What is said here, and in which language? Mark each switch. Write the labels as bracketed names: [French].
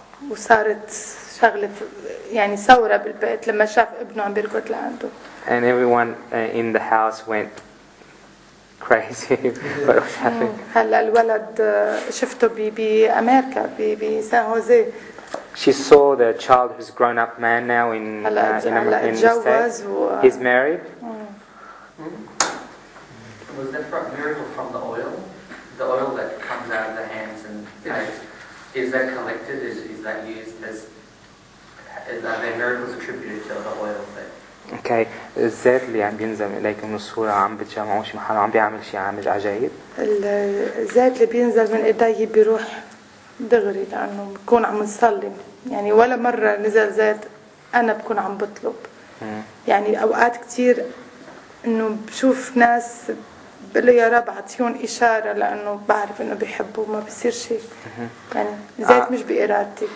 [Arabic] وصارت شغلة يعني ثورة بالبيت لما شاف ابنه عم بيركض لعنده. [English] And everyone in the house went crazy. What was happening? [Arabic] هلا الولد شفته بأمريكا بسان هوزي. [English] She saw the child who's grown up man now in America, in the States. He's married. Was that from miracle from the oil? The oil that comes out of the hands and face, is that collected? Is that used as, are there miracles attributed to the oil that? Okay. [Arabic] الزيت اللي عم بينزل إليكم من الصورة عم بتجمعوا شي محل عم بيعمل شي عامل عجيب. الزيت اللي بينزل من إيدي بيروح دغري لأنه بكون عم نصلي يعني ولا مرة نزل زيت أنا بكون عم بطلب يعني أوقات كتير إنه بشوف ناس بقول يا رب عطيهم إشارة لأنه بعرف إنه بيحبوا ما بيصير شيء يعني زيت مش بإرادتي.